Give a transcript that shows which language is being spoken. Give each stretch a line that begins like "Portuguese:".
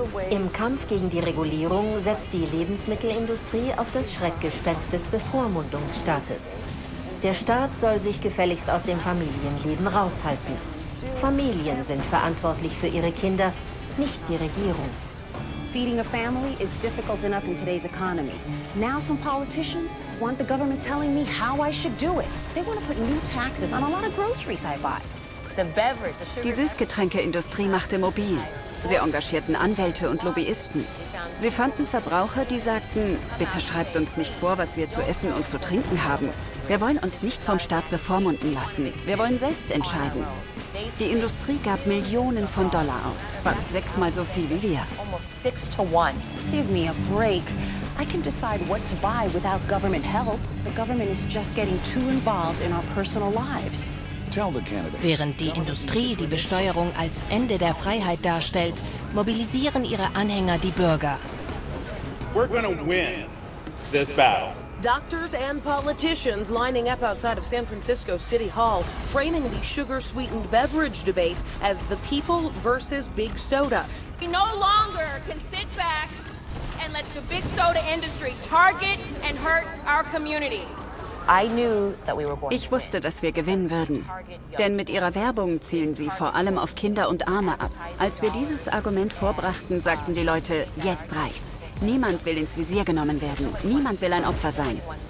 German: Im Kampf gegen die Regulierung setzt die Lebensmittelindustrie auf das Schreckgespenst des Bevormundungsstaates. Der Staat soll sich gefälligst aus dem Familienleben raushalten. Familien sind verantwortlich für ihre Kinder, nicht die Regierung.
English: Feeding a family is difficult enough in today's economy. Now some politicians want the government telling me how I should do it. They want to put new taxes on a lot of groceries I buy.
German: Die Süßgetränkeindustrie machte mobil. Sie engagierten Anwälte und Lobbyisten. Sie fanden Verbraucher, die sagten, bitte schreibt uns nicht vor, was wir zu essen und zu trinken haben. Wir wollen uns nicht vom Staat bevormunden lassen. Wir wollen selbst entscheiden. Die Industrie gab Millionen von Dollar aus, fast sechsmal so viel wie wir.
English: Almost 6-1. Give me a break. I can decide what to buy without government help. The government is just getting too involved in our personal lives.
German: Während die Industrie die Besteuerung als Ende der Freiheit darstellt, mobilisieren ihre Anhänger die Bürger.
English: We're gonna win this battle. Doctors and politicians lining up outside of San Francisco City Hall, framing the sugar-sweetened beverage debate as the people versus Big Soda. We no longer can sit back and let the Big Soda industry target and hurt our community.
German: Ich wusste, dass wir gewinnen würden. Denn mit ihrer Werbung zielen sie vor allem auf Kinder und Arme ab. Als wir dieses Argument vorbrachten, sagten die Leute, jetzt reicht's. Niemand will ins Visier genommen werden. Niemand will ein Opfer sein.